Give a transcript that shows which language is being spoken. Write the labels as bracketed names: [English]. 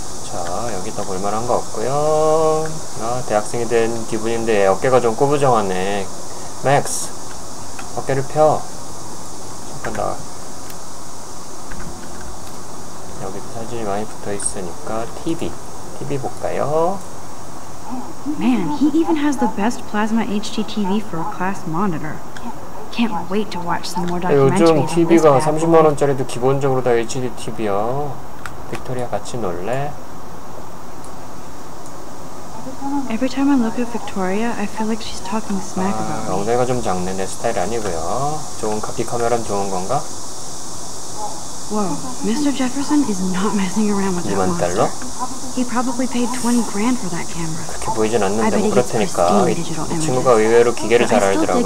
[Korean] 자, 여기 더 볼만한 거 없고요. 아, 대학생이 된 기분인데 어깨가 좀 꾸부정하네. Max, 어깨를 펴. 나 여기 사진이 많이 붙어 있으니까 TV 볼까요? [English] Man, he even has the best plasma HDTV for a class monitor. Can't wait to watch some more documentaries. [Korean] 요즘 TV가 30만 원짜리도 기본적으로 다 HDTV야. 빅토리아 같이 놀래? [English] Every time I look at Victoria, I feel like she's talking smack about me. [Korean] 엉덩이가 좀 작네. 내 스타일 아니고요. 좋은 카피 카메라는 좋은 건가? [English] Whoa, Mr. Jefferson is not messing around with that monster. [Korean] 2만 달러? [English] He probably paid 20 grand for that camera. [Korean] 그렇게 보이진 않는데 뭐 그럴 테니까. 이 친구가 의외로 기계를 잘 알더라고요.